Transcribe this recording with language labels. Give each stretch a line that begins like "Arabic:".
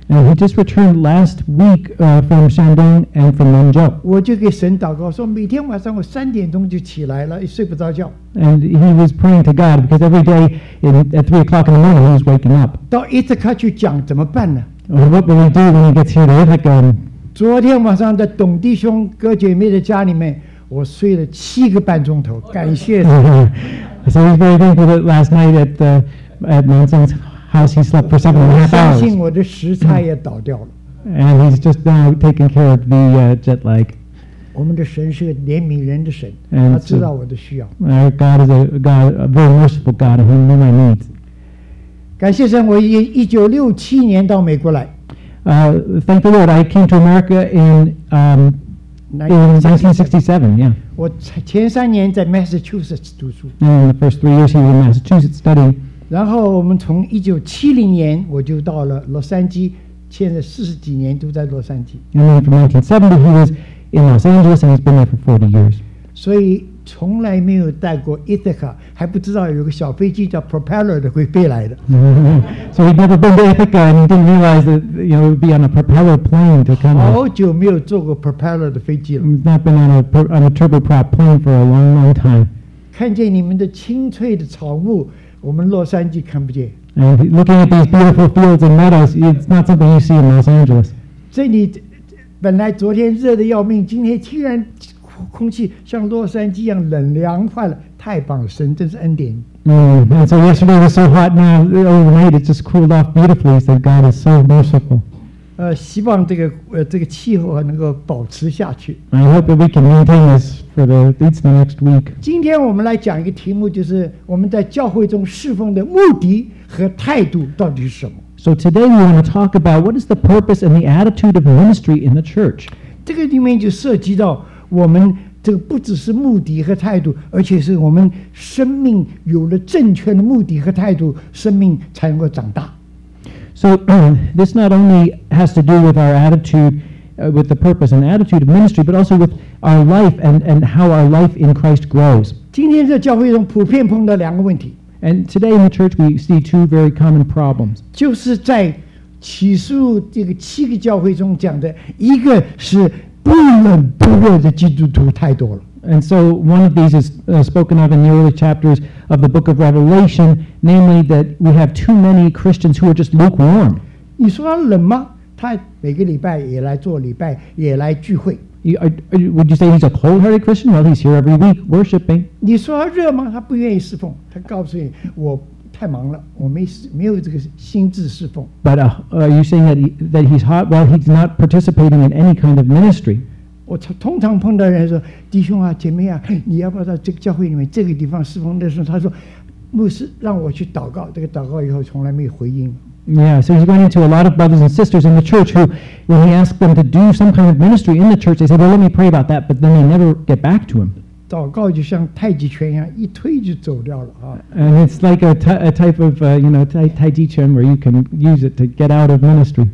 English: And he just returned last week from Shandong and from Wenzhou.
Chinese: 我就给神祷告说，每天晚上我三点钟就起来了，睡不着觉。
English: And he was praying to God because every day at 3 o'clock in the morning he was waking up.
Chinese: 到伊斯卡去讲怎么办呢？
English: What will he do when he gets here to Ithaca?
Chinese: 昨天晚上在董弟兄哥姐妹的家里面，我睡了七个半钟头，感谢神。
English: So he's very thankful that last night at Nansen's house he slept for 7.5 hours.
Chinese: 相信我的时差也倒掉了。
English: And he's just now taking care of the jet lag.
Chinese: 我们的神是个怜悯人的神，他知道我的需要。
English: Our God is a very merciful God, and he knew my needs.
Chinese: 感谢神，我1967年到美国来。
English: Thank the Lord, I came to America in 1967, yeah.
Chinese: 我前三年在 Massachusetts 读书。
English: And the first 3 years he was in Massachusetts studying.
Chinese: 然后我们从1970年我就到了洛杉矶，现在40几年都在洛杉矶。
English: And then from 1970 he was in Los Angeles and he's been there for 40 years.
Chinese: 所以从来没有带过 Ithaca， 还不知道有个小飞机叫 propeller 的会飞来的。
English: So he'd never been to Ithaca and he didn't realize that you know, it would be on a propeller plane to come.
Chinese: 好久没有坐过 propeller 的飞机了。
English: He's not been on a turboprop plane for a long, long time.
Chinese: 看见你们的青翠的草木，我们洛杉矶看不见。
English: And looking at these beautiful fields and meadows, it's not something you see in Los Angeles.
Chinese: 这里本来昨天热得要命，今天居然空气像洛杉矶一样冷凉快了，太棒了，神真是恩典。
English: So yesterday was so hot, now overnight it just cooled off beautifully. So God is so merciful.
Chinese: 希望这个气候能够保持下去。
English: I hope that we can maintain this for the next week.
Chinese: 今天我们来讲一个题目，就是我们在教会中侍奉的目的和态度到底是什么。
English: So today we want to talk about what is the purpose and the attitude of ministry in the church.
Chinese: 这个里面就涉及到我们这个不只是目的和态度，而且是我们生命有了正确的目的和态度，生命才能够长大。
English: So this not only has to do with our attitude, with the purpose and attitude of ministry, but also with our life and how our life in Christ grows.
Chinese: 今天在教会中普遍碰到两个问题。
English: And today in the church we see two very common problems.
Chinese: 就是在启示录这个七个教会中讲的，一个是不冷不热的基督徒太多了。
English: And so one of these is spoken of in the early chapters of the book of Revelation, namely that we have too many Christians who are just lukewarm.
Chinese: 你说他冷吗？他每个礼拜也来做礼拜，也来聚会。
English: Would you say he's a cold-hearted Christian? Well, he's here every week worshiping.
Chinese: 你说他热吗？他不愿意侍奉。他告诉你，我太忙了，我没有这个心智侍奉。
English: But are you saying that he's hot? Well, he's not participating in any kind of ministry.
Chinese: 我通常碰到人说弟兄啊姐妹啊你要不要到这个教会里面这个地方侍奉的时候他说牧师让我去祷告这个祷告以后从来没有回应
English: Yeah, so he's going into a lot of brothers and sisters in the church who when he asked them to do some kind of ministry in the church they said well let me pray about that but then they never get back to him
Chinese: 祷告就像太极拳一样一推就走掉了、啊、
English: And it's like a type of you know, 太极拳 where you can use it to get out of ministry